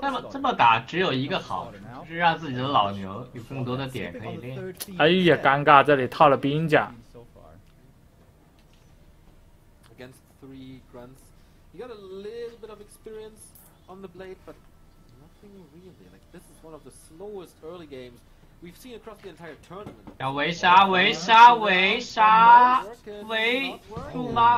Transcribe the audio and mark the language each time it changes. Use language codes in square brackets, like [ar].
[zh] 这么打只有一个好处，是让自己的老牛有更多的点可以练。哎呀，尴尬，这里套了兵甲。 [en] Against three grunts, you got a little bit of experience on the blade, but nothing really. Like this is one of the slowest early games we've seen across the entire tournament. [zh] 要围杀，围杀，围杀，围猪吗？